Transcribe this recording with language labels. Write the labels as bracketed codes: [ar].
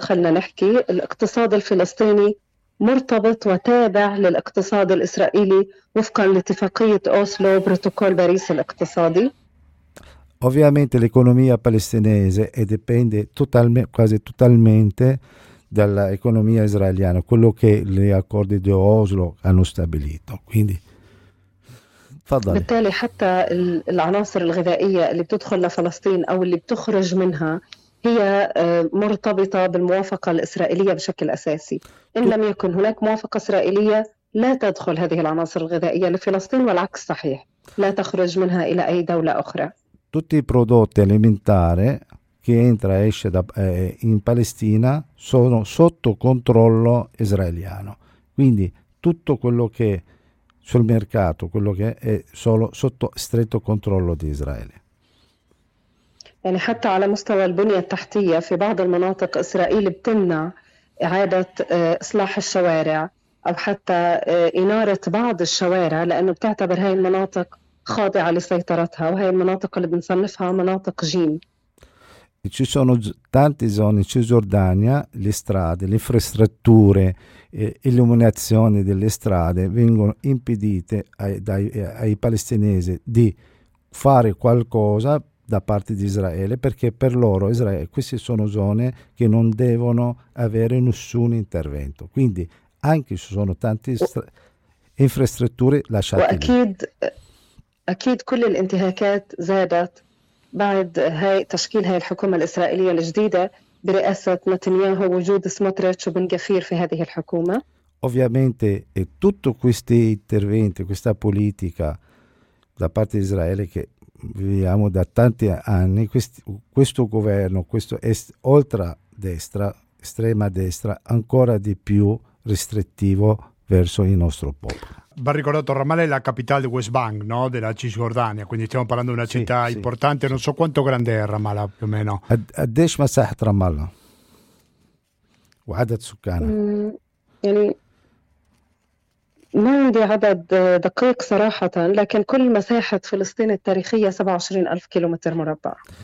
[ar] خلنا نحكي الاقتصاد الفلسطيني مرتبط وتابع للاقتصاد الإسرائيلي وفقا لاتفاقية أوسلو، بروتوكول باريس الاقتصادي. [it] Ovviamente l'economia palestinese dipende quasi totalmente dall'economia israeliana, quello che gli accordi di Oslo hanno stabilito. Quindi, [ar] tfadali. بالتالي حتى العناصر الغذائية اللي بتدخل لفلسطين أو اللي بتخرج منها هي مرتبطة بالموافقة الإسرائيلية بشكل أساسي. إن لم يكن هناك موافقة إسرائيلية لا تدخل هذه العناصر الغذائية لفلسطين، والعكس صحيح، لا تخرج منها إلى أي دولة أخرى. [it] Tutti i prodotti alimentari che entra e esce in Palestina sono sotto controllo israeliano. Quindi tutto quello che sul mercato, quello che è solo sotto stretto controllo di Israele. [ar] يعني حتى على مستوى البنية التحتية في بعض المناطق إسرائيل بتمنع إعادة إصلاح الشوارع أو حتى إنارة بعض الشوارع، لأنه بتعتبر هاي المناطق خاضعة لسيطرتها، وهي المناطق اللي بنصنفها مناطق جيم. [it] Ci sono tante zone in Cisgiordania, le strade, le infrastrutture, illuminazioni delle strade vengono impedite ai palestinesi di fare qualcosa da parte di Israele, perché per loro Israele, queste sono zone che non devono avere nessun intervento. Quindi anche se sono tante infrastrutture lasciate lì. [ar] وأكيد أكيد كل الانتهاكات زادت بعد هاي تشكيل هاي الحكومة الإسرائيلية الجديدة برئاسة نتنياهو ووجود سموتريتش وبن غفير في هذه الحكومة. [it] Ovviamente, tutti questi interventi, questa politica da parte di Israele, che viviamo da tanti anni, questo governo, questo ultradestra, estrema destra, ancora di più restrittivo verso il nostro popolo. Va ricordato, Ramallah è la capitale di West Bank, no? Della Cisgiordania, quindi stiamo parlando di una città importante. Non so quanto grande è Ramallah, più o meno. [ar] A 10 masahat Ramallah. وعدد سكانها يعني ما عندي عدد دقيق صراحة، لكن كل مساحة فلسطين التاريخية 27 ألف كيلومتر مربع.